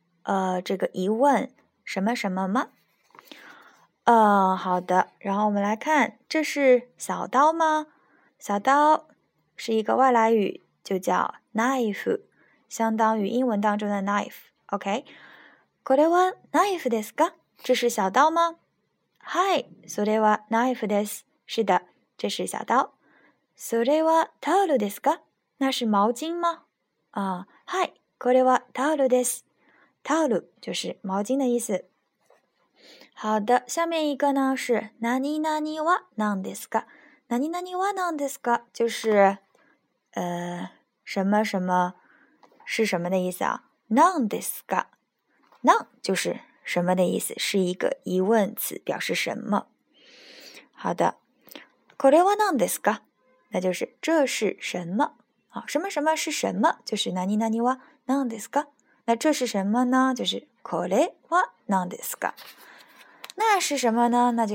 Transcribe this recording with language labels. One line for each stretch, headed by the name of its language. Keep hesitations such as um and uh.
Chinese: 呃，这个疑问什么什么吗？呃，好的。然后我们来看，这是小刀吗？小刀是一个外来语，就叫 knife，相当于英文当中的 knife。
Japanese: OK，これは knife ですか？
Chinese: 这是小刀吗？
Japanese: Hi，それは knife です。
Chinese: 是的，这是小刀。
Japanese: それはタオルですか？
Chinese: 那是毛巾吗？
Japanese: 啊，Hi，これはタオルです。
Chinese: タオル就是毛巾的意思。好的，下面一个呢是
Japanese: ナニナニはなんですか？ナニナニはな斯ですか？
Chinese: 就是呃什么什么是什么的意思啊？
Japanese: なんですか？
Chinese: なん就是什么的意思，是一个疑问词，表示什么。好的，
Japanese: これはなんですか？
Chinese: 那就是这是什么？好，什么什么是什么？就是
Japanese: ナニナニはなんですか？
Chinese: 那这是什么
Japanese: これは何ですか？
Chinese: 那是什么呢？